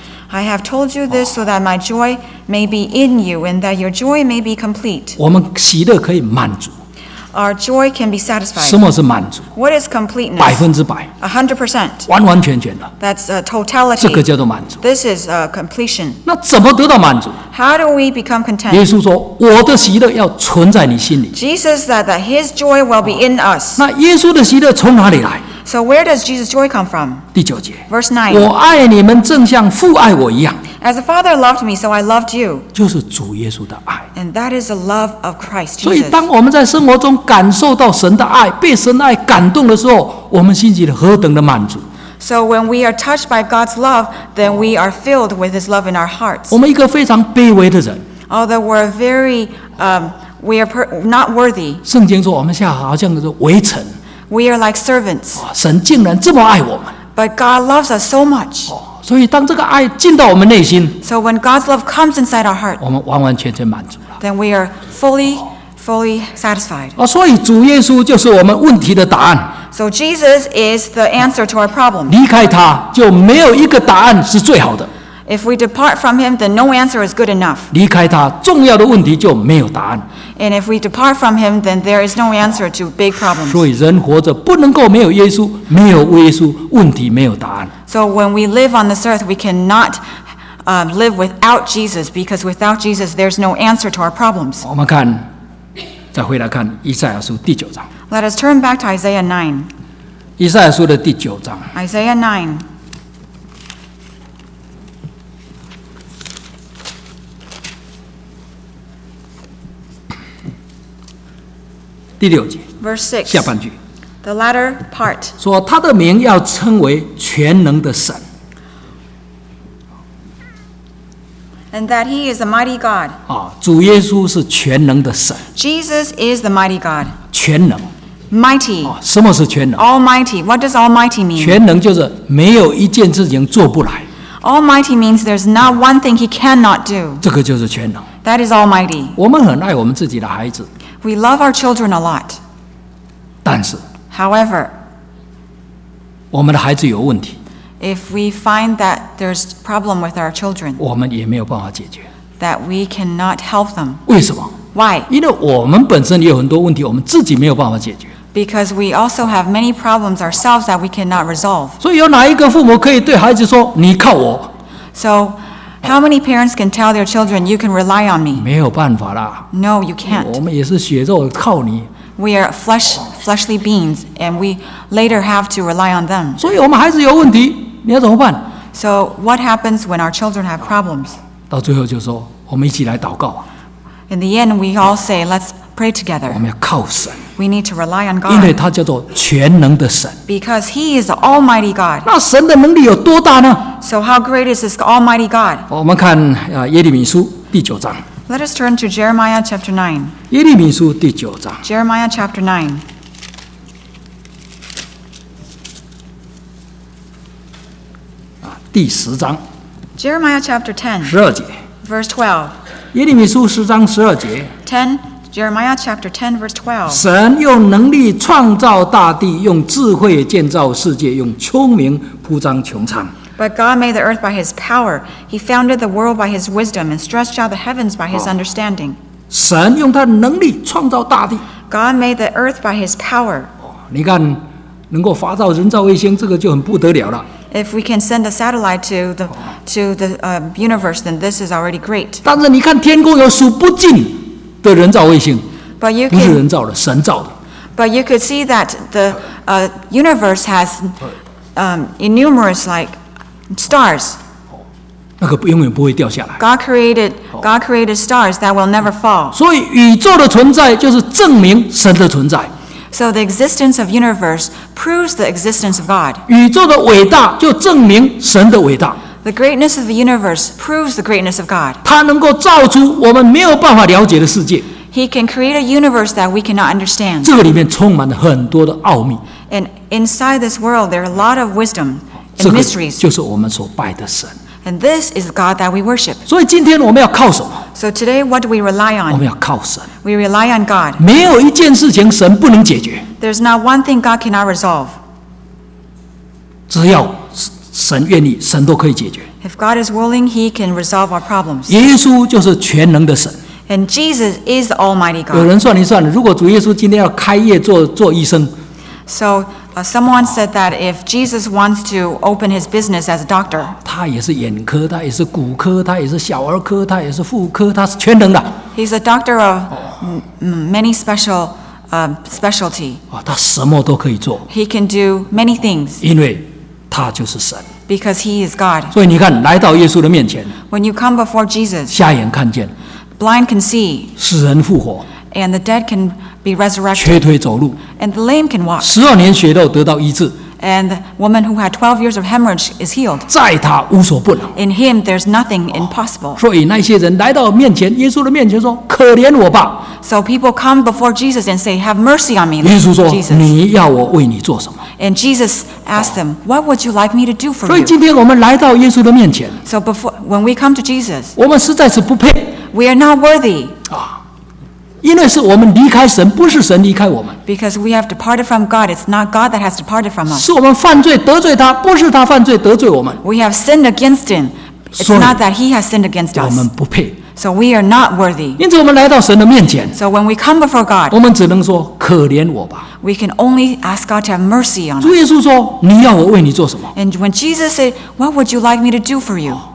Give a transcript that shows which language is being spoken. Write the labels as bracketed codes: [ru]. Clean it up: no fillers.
[en] I have told you this so that my joy may be in you and that your joy may be complete. [zh] 我们喜乐可以满足。 [en] Our joy can be satisfied. [zh] 什么是满足？ [en] What is completeness? [zh] 百分之百。 [en] 100%. [zh] 完完全全的。 [en] That's a totality. [zh] 这个叫做满足。 [en] This is a completion. [zh] 那怎么得到满足？ [en] How do we become content? [zh] 耶稣说，我的喜乐要存在你心里。 [en] Jesus said that his joy will be in us. [zh] 那耶稣的喜乐从哪里来？ [en] So where does Jesus' joy come from? [zh] 第九节。 [en] Verse 9. [zh] 我爱你们正像父爱我一样。 [en] As the Father loved me, so I loved you. [zh] 就是主耶稣的爱。 [en] And that is the love of Christ Jesus. [zh] 所以当我们在生活中感受到神的爱，被神的爱感动的时候，我们心里何等的满足。 [en] So when we are touched by God's love, then we are filled with His love in our hearts. [zh] 我们一个非常卑微的人。 [en] Although we're very, we are not worthy. [zh] 圣经说我们像好像是微尘。 [en] We are like servants. [zh] 神竟然这么爱我们。 [en] But God loves us so much. [zh] 所以当这个爱进到我们内心。 [en] So when God's love comes inside our heart. [zh] 我们完完全全满足了。 [en] Then we are fully, fully satisfied. [zh] 所以主耶稣就是我们问题的答案。 [en] So Jesus is the answer to our problem. [zh] 离开他就没有一个答案是最好的。 [en] If we depart from him, then no answer is good enough. [zh] 离开他，重要的问题就没有答案。 [en] And if we depart from him, then there is no answer to big problems. [zh] 所以人活着不能够没有耶稣，没有耶稣，问题没有答案。 [en] So when we live on this earth, we cannot live without Jesus, because without Jesus, there's no answer to our problems. [zh] 我们看，再回来看以赛亚书第九章。 [en] Let us turn back to Isaiah 9. [zh] 以赛亚书的第九章。 [en] Isaiah 9. [zh] 第六节 [en] Verse 6, [zh] 下半句 [en] The latter part [zh] 说他的名要称为全能的神 [en] And that he is a mighty God [zh] 主耶稣是全能的神 [en] Jesus is the mighty God [zh] 全能 [en] Mighty [zh] 什么是全能 [en] Almighty What does almighty mean [zh] 全能就是没有一件事情做不来 [en] Almighty means there's not one thing he cannot do [zh] 这个就是全能 [en] That is almighty [zh] 我们很爱我们自己的孩子 [en] We love our children a lot. [zh] 但是 [en] However, [zh] 我们的孩子有问题 [en] If we find that there's problem with our children, [zh] 我们也没有办法解决 [en] That we cannot help them. [zh] 为什么 [en] Why? [zh] 因为我们本身有很多问题，我们自己没有办法解决 [en] Because we also have many problems ourselves that we cannot resolve. [zh] 所以有哪一个父母可以对孩子说，你靠我 [en] So,How many parents can tell their children, you can rely on me? [zh] 没有办法啦。 [en] No, you can't. [zh] 我们也是血肉靠你。 [en] We are fleshly beings, and we later have to rely on them. [zh] 所以我们孩子有问题，你要怎么办？ [en] So what happens when our children have problems? [zh] 到最后就说，我们一起来祷告。 [en] In the end, we all say, let's pray together. [zh] 我们要靠神。 [en] We need to rely on God. [zh] 因为他叫做全能的神。 [en] Because he is the almighty God. [zh] 那神的能力有多大呢？ [en] So how great is this almighty God? [zh] 我们看耶利米书第九章。 [en] Let us turn to Jeremiah chapter 9. [zh] 耶利米书第九章。 [en] Jeremiah chapter 9. [zh] 第十章。 [en] Jeremiah chapter 10. [zh] 十二节。 [en] Verse 12. [zh] 耶利米书十章十二节。 [en] 10. Jeremiah chapter 10 verse 12. [zh] 神用能力创造大地，用智慧建造世界，用聪明铺张穹苍。 [en] But God made the earth by His power. He founded the world by His wisdom and stretched out the heavens by His understanding. [zh] 神用他的能力创造大地。 [en] God made the earth by His power. [zh] 你看，能够发到人造卫星，这个就很不得了了。 [en] If we can send a satellite to the universe, then this is already great. [zh] 但是你看，天空有数不尽。的人造卫星 [en] but you [zh] 不是人造的神造的 [en] but you could see that the universe has innumerous like stars [zh] 那个永远不会掉下来 [en] God created stars that will never fall [zh] 所以宇宙的存在就是证明神的存在 [en] so the existence of universe proves the existence of God [zh] 宇宙的伟大就证明神的伟大 [en] The greatness of the universe proves the greatness of God. [zh] 他能够造出我们没有办法了解的世界。 [en] He can create a universe that we cannot understand. [zh] 这个里面充满了很多的奥秘。 [en] And inside this world, there are a lot of wisdom and mysteries. [zh] 这个就是我们所拜的神。 [en] And this is God that we worship. [zh] 所以今天我们要靠什么？ [en] So today, what do we rely on? [zh] 我们要靠神。 [en] We rely on God. [zh] 没有一件事情神不能解决。 [en] There's not one thing God cannot resolve. [zh] 只要神愿意，神都可以解决。 [en] If God is willing, He can resolve our problems. [zh] 耶稣就是全能的神。 [en] And Jesus is the Almighty God. [zh] 有人算一算，如果主耶稣今天要开业做医生。 [en] So, someone said that if Jesus wants to open his business as a doctor, [zh] 他也是眼科，他也是骨科，他也是小儿科，他也是妇科，他是全能的。 [en] He's a doctor of many special specialty. [zh] 他什么都可以做。 [en] He can do many things. [zh] 因为他就是神。 [en] Because he is God. [zh] 所以你看，来到耶稣的面前。 [en] When you come before Jesus, [zh] 瞎眼看见。 [en] Blind can see. [zh] 死人复活。 [en] And the dead can be resurrected. [zh] 瘸腿走路。 [en] And the lame can walk. [zh] 十二年瘸肉得到医治。 [en] And the woman who had 12 years of hemorrhage is healed. [zh] 在他无所不能。 [en] In him there's nothing impossible. [zh] 所以那些人来到面前，耶稣的面前说：“可怜我吧。” [en] So people come before Jesus and say, "Have mercy on me." [zh] 耶稣说：“你要我为你做什么？” [en] And Jesus asked them, "What would you like me to do for you?" [zh] 所以今天我们来到耶稣的面前。 [en] So before when we come to Jesus, [zh] 我们实在是不配。 [en] We are not worthy. [zh] 因为是我们离开神，不是神离开我们。 [en] Because we have departed from God, it's not God that has departed from us. [zh] 是我们犯罪得罪他，不是他犯罪得罪我们。 [en] We have sinned against him. It's not that he has sinned against us. [zh] 我们不配。 [en] So we are not worthy. [zh] 因此我们来到神的面前。 [en] So when we come before God, [zh] 我们只能说可怜我吧。 [en] We can only ask God to have mercy on us. [zh] 主耶稣说：“你要我为你做什么？” [en] And when Jesus said, "What would you like me to do for you?"